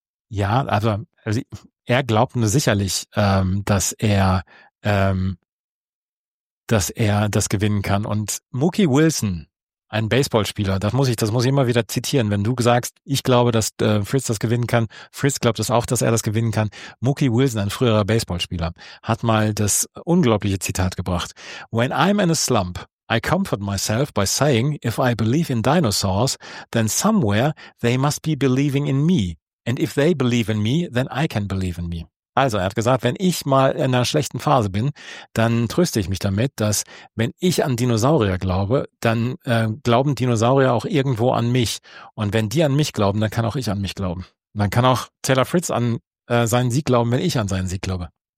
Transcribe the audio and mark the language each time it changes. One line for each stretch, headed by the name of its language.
German: Ja, also er glaubt nur sicherlich, dass er das gewinnen kann. Und Mookie Wilson, ein Baseballspieler, das muss ich immer wieder zitieren. Wenn du sagst, ich glaube, dass Fritz das gewinnen kann, Fritz glaubt es auch, dass er das gewinnen kann. Mookie Wilson, ein früherer Baseballspieler, hat mal das unglaubliche Zitat gebracht.
English: When I'm in a slump, I comfort myself by saying, if I believe in dinosaurs, then somewhere they must be believing in me. And if they believe in me, then I can believe in me.
German: Also, er hat gesagt, wenn ich mal in einer schlechten Phase bin, dann tröste ich mich damit, dass wenn ich an Dinosaurier glaube, dann glauben Dinosaurier auch irgendwo an mich. Und wenn die an mich glauben, dann kann auch ich an mich glauben. Dann kann auch Taylor Fritz an seinen Sieg glauben, wenn ich an seinen Sieg glaube.